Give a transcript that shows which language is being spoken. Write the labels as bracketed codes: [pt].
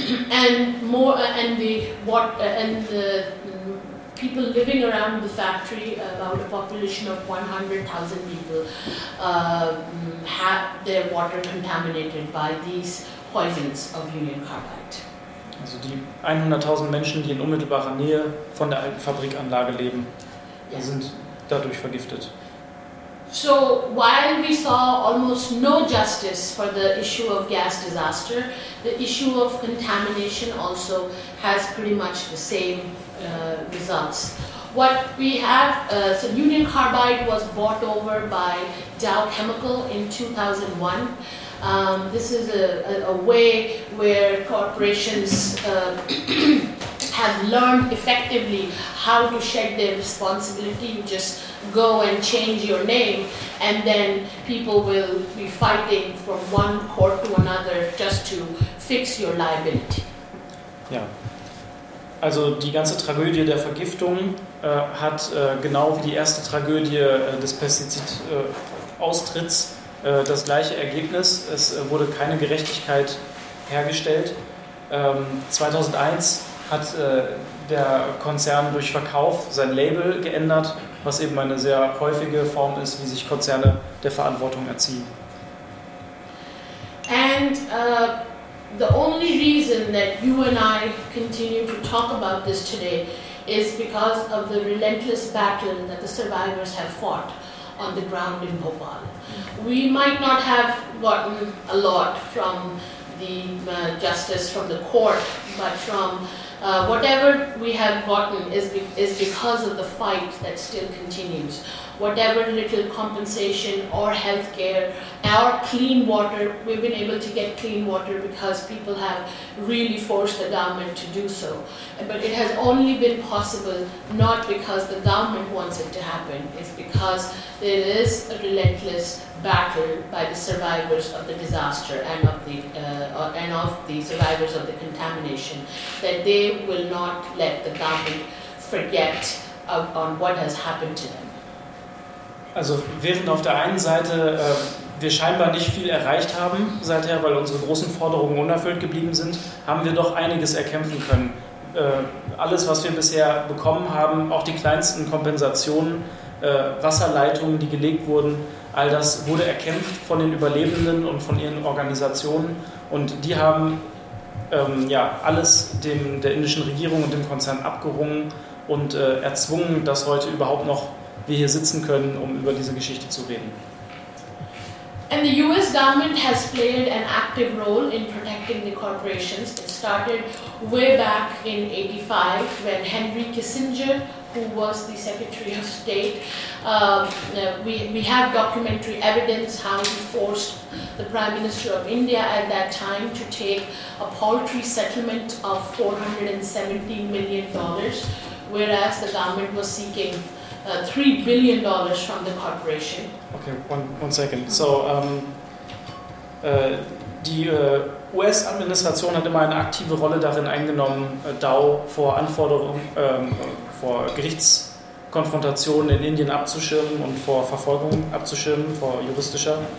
[en] And more and the what and the people living around the factory, about a population of 100,000 people, have their water contaminated by these poisons of Union Carbide. [de] Also die 100.000 Menschen, die in unmittelbarer Nähe von der alten Fabrikanlage leben, yeah, sind dadurch vergiftet. [en] So while we saw almost no justice for the issue of gas disaster, the issue of contamination also has pretty much the same results. What we have, so Union Carbide was bought over by Dow Chemical in 2001. This is a way where corporations have learned effectively how to shed their responsibility. You just go and change your name, and then people will be fighting from one court to another just to fix your liability. [de] Ja, also die ganze Tragödie der Vergiftung hat genau wie die erste Tragödie des Pestizidaustritts das gleiche Ergebnis. Es wurde keine Gerechtigkeit hergestellt. 2001 hat der Konzern durch Verkauf sein Label geändert, was eben eine sehr häufige Form ist, wie sich Konzerne der Verantwortung entziehen. [en] And the only reason that you and I continue to talk about this today is because of the relentless battle that the survivors have fought on the ground in Bhopal. We might not have gotten a lot from the justice from the court, but from whatever we have gotten is because of the fight that still continues. Whatever little compensation or health care or clean water, we've been able to get clean water because people have really forced the government to do so. But it has only been possible not because the government wants it to happen, it's because there is a relentless battle by the survivors of the disaster and of the survivors of the contamination, that they will not let the government forget on what has happened to them. [de] Also während auf der einen Seite wir scheinbar nicht viel erreicht haben seither, weil unsere großen Forderungen unerfüllt geblieben sind, haben wir doch einiges erkämpfen können. Alles, was wir bisher bekommen haben, auch die kleinsten Kompensationen, Wasserleitungen, die gelegt wurden, all das wurde erkämpft von den Überlebenden und von ihren Organisationen. Und die haben alles der indischen Regierung und dem Konzern abgerungen und erzwungen, dass heute überhaupt noch wir hier sitzen können, um über diese Geschichte zu reden. [en] And the US government has played an active role in protecting the corporations. It started way back in 85 when Henry Kissinger, who was the Secretary of State, we have documentary evidence how he forced the Prime Minister of India at that time to take a paltry settlement of $470 million, whereas the government was seeking $3 billion from the corporation. Okay, one second. [de] So, die US-Administration hat immer eine aktive Rolle darin eingenommen, Dow vor Anforderungen, vor Gerichtskonfrontationen in Indien abzuschirmen und vor Verfolgung abzuschirmen, vor juristischer.